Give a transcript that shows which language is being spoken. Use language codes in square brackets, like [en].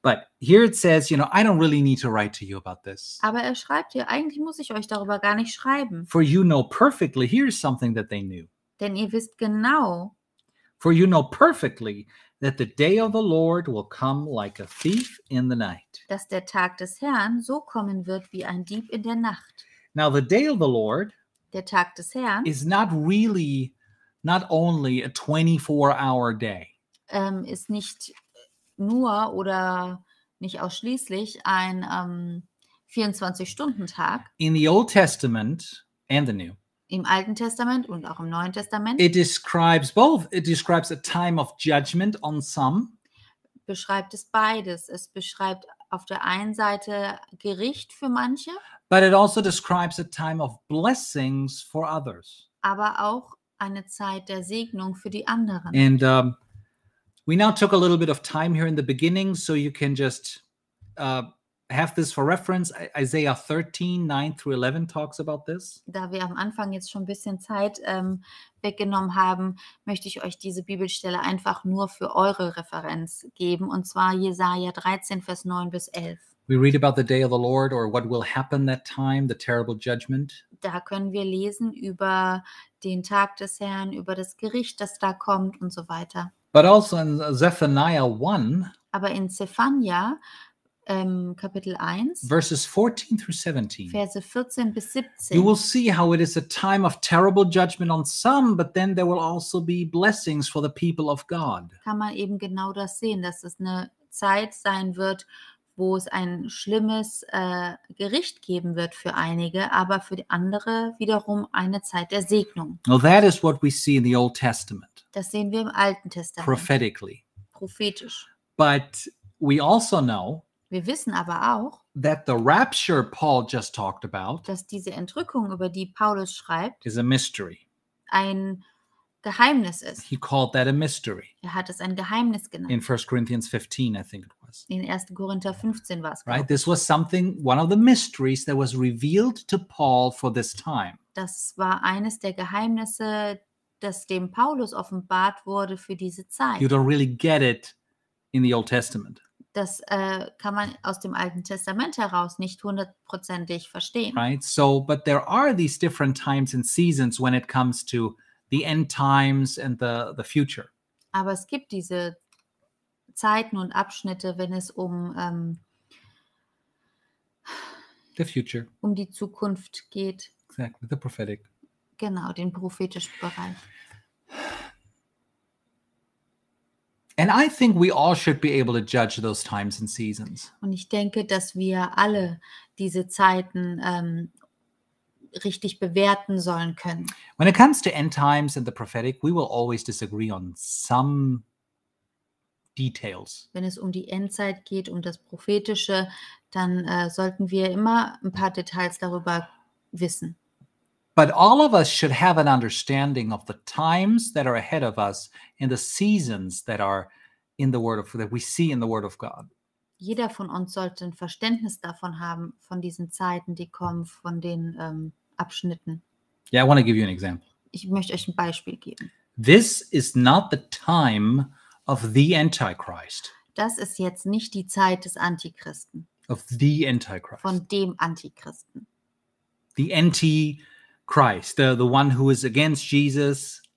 [en] But here it says, you know, I don't really need to write to you about this. [de] Aber er schreibt hier, eigentlich muss ich euch darüber gar nicht schreiben. [en] For you know perfectly, here's something that they knew. [de] Denn ihr wisst genau. [en] For you know perfectly that the day of the Lord will come like a thief in the night. [de] Dass der Tag des Herrn so kommen wird wie ein Dieb in der Nacht. [en] Now the day of the Lord, [de] der Tag des Herrn, [en] is not really, not only a 24-hour day. [de] Ist nicht nur oder nicht ausschließlich ein 24-Stunden-Tag. [en] In the Old Testament and the New. [de] Im Alten Testament und auch im Neuen Testament. [en] It describes both. It describes a time of judgment on some. [de] Beschreibt es beides. Es beschreibt auf der einen Seite Gericht für manche. [en] But it also describes a time of blessings for others. [de] Aber auch eine Zeit der Segnung für die anderen. [en] And we now took a little bit of time here in the beginning, so you can just have this for reference. Isaiah 13, 9 through 11 talks about this. [de] Da wir am Anfang jetzt schon ein bisschen Zeit weggenommen haben, möchte ich euch diese Bibelstelle einfach nur für eure Referenz geben, und zwar Jesaja 13, Vers 9 bis 11. [en] We read about the day of the Lord or what will happen that time, the terrible judgment. [de] Da können wir lesen über den Tag des Herrn, über das Gericht, das da kommt und so weiter. [en] But also in Zephaniah 1. [de] Aber in Zephaniah Kapitel 1, [en] verses 14 through 17, [de] Verse 14 bis 17, [en] you will see how it is a time of terrible judgment on some, but then there will also be blessings for the people of God. [de] Kann man eben genau das sehen, dass es eine Zeit sein wird, wo es ein schlimmes Gericht geben wird für einige, aber für die andere wiederum eine Zeit der Segnung. [en] Now that is what we see in the Old Testament. [de] Das sehen wir im Alten Testament. [en] Prophetically. [de] Prophetisch. [en] But we also know, [de] wir wissen aber auch, [en] that the rapture Paul just talked about, [de] dass diese Entrückung, über die Paulus schreibt, [en] is a mystery. [de] Ein Geheimnis ist. [en] He called that a mystery. [de] Er hat es ein Geheimnis genannt. [en] In 1 Corinthians 15, I think it was. [de] In 1. Korinther 15 war es. [en] Right, this was something, one of the mysteries that was revealed to Paul for this time. [de] Das war eines der Geheimnisse, das dem Paulus offenbart wurde für diese Zeit. [en] You don't really get it in the Old Testament. [de] Das kann man aus dem Alten Testament heraus nicht hundertprozentig verstehen. [en] Right, so, but there are these different times and seasons when it comes to the end times and the future. [de] Aber es gibt diese Zeiten und Abschnitte, wenn es um [en] the future, [de] um die Zukunft geht. [en] Exactly, the prophetic. [de] Genau, den prophetischen Bereich. [en] And I think we all should be able to judge those times and seasons. [de] Und ich denke, dass wir alle diese Zeiten richtig bewerten sollen können. [en] When it comes to end times and the prophetic, we will always disagree on some details. [de] Wenn es um die Endzeit geht, um das Prophetische, dann sollten wir immer ein paar Details darüber wissen. [en] But all of us should have an understanding of the times that are ahead of us and the seasons that are in the Word of, that we see in the Word of God. [de] Jeder von uns sollte ein Verständnis davon haben, von diesen Zeiten, die kommen, von den Abschnitten. [en] Yeah, I want to give you an example. [de] Ich möchte euch ein Beispiel geben. [en] This is not the time of the Antichrist. [de] Das ist jetzt nicht die Zeit des Antichristen. [en] Of the Antichrist. [de] Von dem Antichristen. [en] The Antichrist, the one who is against Jesus.